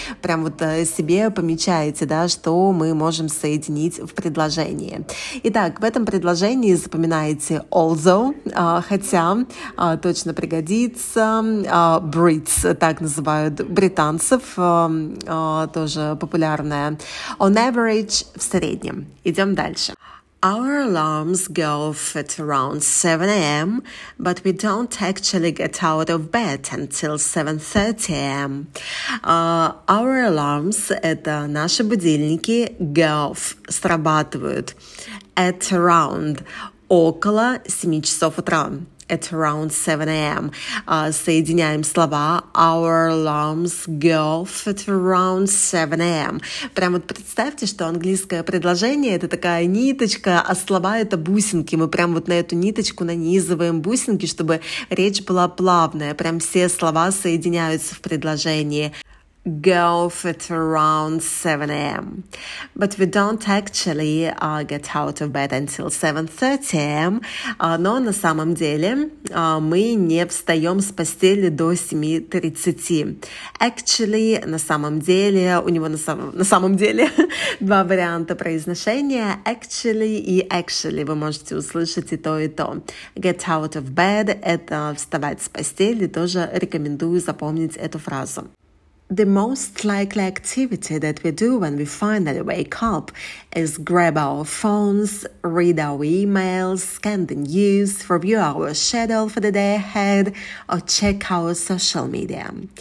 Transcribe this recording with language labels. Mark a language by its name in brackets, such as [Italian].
[Russian] Прям вот себе помечаете, да, что мы можем соединить в предложении. Итак, в этом предложении запоминаете although, хотя точно пригодится. Brits, так называют британцев, тоже популярное. [English] On average, [Russian] в среднем. Идем дальше. [English] Our alarms go off at around 7 a.m., but we don't actually get out of bed until 7:30 a.m. Our alarms [Russian] — это наши будильники, [English] go off, [Russian] срабатывают, [English] at around, [Russian] около 7 часов утра. [English] At around 7 a.m. [Russian] Соединяем слова [English] Our alarms go off at around 7 a.m. [Russian] Прям вот представьте, что английское предложение — это такая ниточка, а слова — это бусинки. Мы прям вот на эту ниточку нанизываем бусинки, чтобы речь была плавная. Прям все слова соединяются в предложении. [English] Go off at around 7 a.m. But we don't actually get out of bed until 7:30 a.m. [Russian] Но на самом деле мы не встаем с постели до 7:30. Actually, на самом деле, у него на самом деле два варианта произношения. [English] Actually и actually. [Russian] Вы можете услышать и то, и то. [English] Get out of bed [Russian] — это вставать с постели. Тоже рекомендую запомнить эту фразу. [English] The most likely activity that we do when we finally wake up is grab our phones, read our emails, scan the news, review our schedule for the day ahead, or check our social media.